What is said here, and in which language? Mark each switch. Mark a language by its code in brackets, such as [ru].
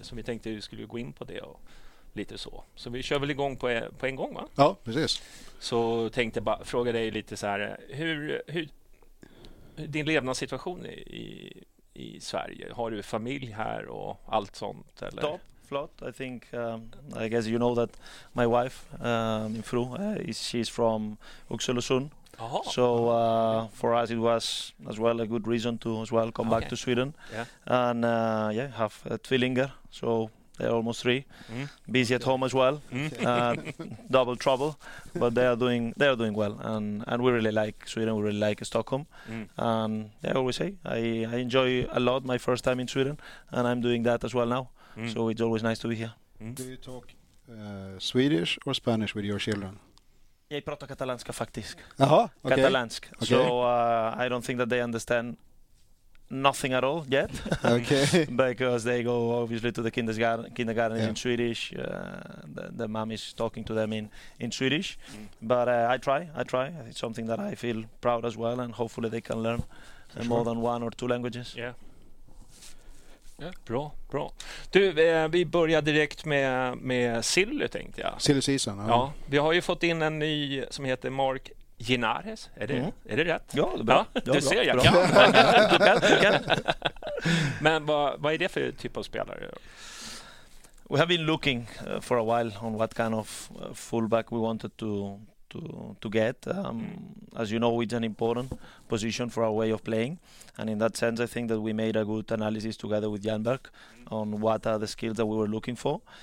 [sv] Så vi tänkte att vi skulle gå in på det och lite så. Så vi kör väl igång på en gång, va? Ja, precis. Så tänkte jag bara fråga dig lite så här. Hur din levnadssituation i Sverige, har du familj här och allt sånt eller? Top, flott. [en] I think I guess you know that my wife, [sv] min fru, [en] she's from Oxelösund. So for us it was as well a good reason to as well come back to Sweden. Yeah. And yeah, have a tvillingar, so they're almost three. Mm. Busy at home as well. Mm. double trouble, but they are doing well, and we really like Sweden. We really like Stockholm. And yeah, I always say I enjoy a lot my first time in Sweden, and I'm doing that as well now. So it's always nice to be here. Do you talk Swedish or Spanish with your children? [sv] Jag pratar katalanska faktiskt. Aha, okay. Katalansk. Okay. [en] So I don't think that they understand nothing at all yet. Okay. Because they go obviously to the kindergarten in Swedish. The mom is talking to them in Swedish. But I try. It's something that I feel proud as well, and hopefully they can learn more than one or two languages. [sv] Yeah. Bra, bra. Du, vi börjar direkt med Silly, tänkte jag. Silly season. Ja, vi har ju fått in en ny som heter Mark Ginares, är det rätt? Ja, det är bra. Ja, du ser, jag kan. Bra. Men vad är det för typ av spelare? [en] We have been looking for a while on what kind of fullback we wanted to get. As you know, it's an important position for our way of playing. And in that sense, I think that we made a good analysis together with Janberg on what are the skills that we were looking for.